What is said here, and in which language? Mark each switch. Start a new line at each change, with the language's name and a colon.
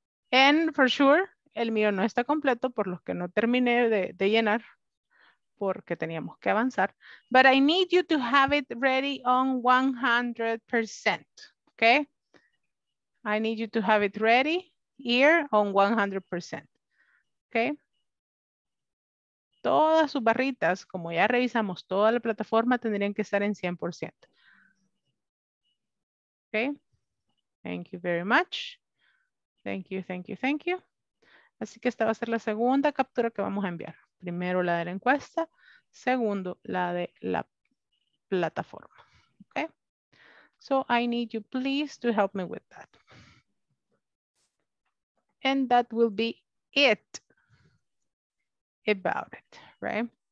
English: And for sure,
Spanish: el mío no está completo por los que no terminé de llenar porque teníamos que avanzar.
English: But I need you to have it ready on 100%, okay? I need you to have it ready here on 100%, okay?
Spanish: Todas sus barritas, como ya revisamos toda la plataforma, tendrían que estar en 100%.
English: Okay? Thank you very much. Thank you, thank you, thank you.
Spanish: Así que esta va a ser la segunda captura que vamos a enviar. Primero la de la encuesta, segundo la de la plataforma.
English: Okay? So I need you please to help me with that. And that will be it about it, right?